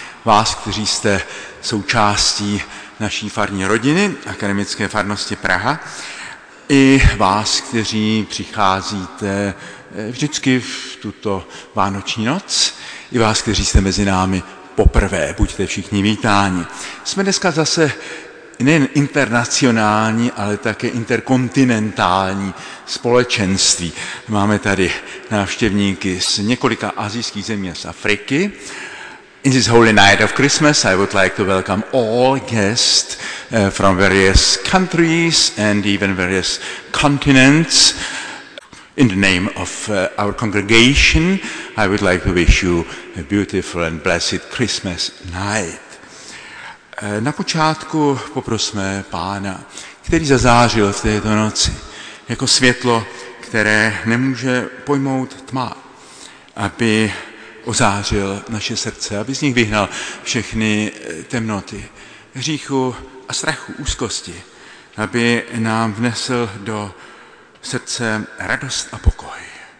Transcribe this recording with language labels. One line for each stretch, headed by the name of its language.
Czech: Vás, kteří jste součástí naší farní rodiny, Akademické farnosti Praha, i vás, kteří přicházíte vždycky v tuto vánoční noc, i vás, kteří jste mezi námi poprvé, buďte všichni vítáni. Jsme dneska zase nejen internacionální, ale také interkontinentální společenství. Máme tady návštěvníky z několika asijských zemí a z Afriky.
English: In this holy night of Christmas, I would like to welcome all guests from various countries and even various continents. In the name of our congregation, I would like to wish you a beautiful and blessed Christmas night.
Czech: Na počátku poprosme Pána, který zazářil v této noci jako světlo, které nemůže pojmout tma, aby ozářil naše srdce, aby z nich vyhnal všechny temnoty, hříchu a strachu, úzkosti, aby nám vnesl do srdce radost a pokoj.